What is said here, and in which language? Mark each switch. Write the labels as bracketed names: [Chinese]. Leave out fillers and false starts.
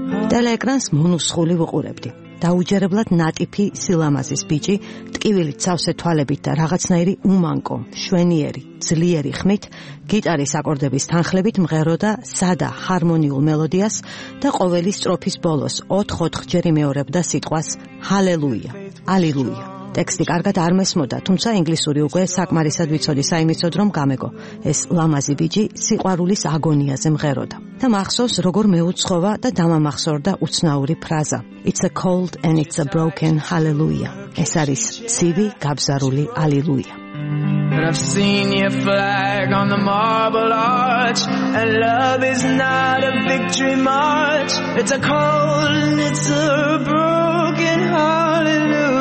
[Georgian] ტელეეკრანს მონუსხული ვუყურებდი. დაუჯერებლად ნატიფი სილამაზის ბიჭი, ტკივილი ცავსე თვალებით და რაღაცნაირი უმანკო, შვენიერი, ძლიერი ხმით, გიტარის აკორდების თანხლებით მღეროდა სადა ჰარმონიულ მელოდიას და ყოველი სტროფის ბოლოს 4-5 ჯერი მეორებდა სიტყვას ჰალელუია, ალილუია. ტექსტი კარგად არ მესმოდა, თუმცა ინგლისური უკვე საკმარისად ვიცოდი, საიმიცოდ რომ გამეგო. ეს ლამაზი ბიჭი სიყვარულის აგონიაზე მღეროდა. და მახსოვს, როგორ მეუცხოვა და დამამახსოვრდა უცნაური ფრაზა. [English] It's a cold and it's a broken hallelujah. [Georgian] ეს არის ცივი, გაბზარული ალილუია. [English] But I've seen your flag on the marble arch, and love is not a victory march. It's a cold and it's a broken hallelujah.